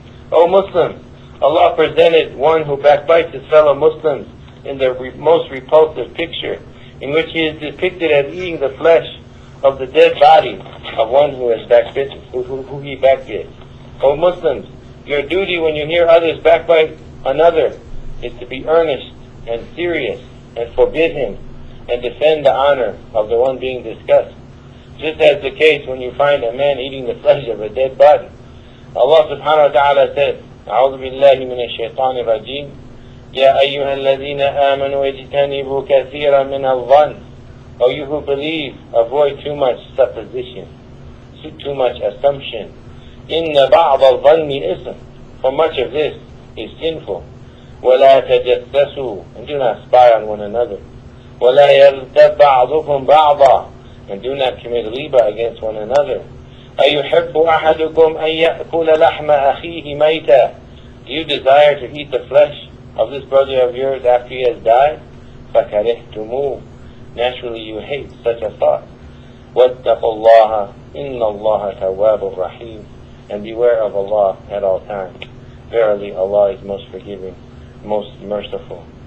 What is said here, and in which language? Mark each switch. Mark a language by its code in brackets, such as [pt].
[en] O Muslims, Allah presented one who backbites his fellow Muslims in the most repulsive picture, in which he is depicted as eating the flesh of the dead body of one who has backbitten, who he backbit. O Muslims, your duty when you hear others backbite another is to be earnest and serious and forbid him and defend the honor of the one being discussed. Just as the case when you find a man eating the flesh of a dead body. Allah subhanahu wa ta'ala says, [ar] أعوذ بالله من الشيطان الرجيم يا أيها الذين آمنوا اجتنبوا كثيرا من الظن. [en] O you who believe, avoid too much supposition, too much assumption. [ar] إِنَّ بَعْضَ الظَّنِّ إِسْمٌ. [en] For much of this is sinful. [ar] وَلَا تَجَسَّسُوا. [en] And do not spy on one another. [ar] وَلَا يَغْتَبْ بَعْضُكُمْ بَعْضًا. [en] And do not commit riba against one another. [ar] أَيُحِبُّ أَحَدُكُمْ أَن يَأْكُلَ لَحْمَ أَخِيهِ مَيْتًا. [en] Do you desire to eat the flesh of this brother of yours after he has died? [ar] فَكَرِهْتُمُوهُ. [en] Naturally you hate such a thought. [ar] وَاتَّقُوا اللَّهَ إِنَّ اللَّهَ تَوَّابُ الرَّحِيمُ. [en] And beware of Allah at all times. Verily Allah is most forgiving, most merciful.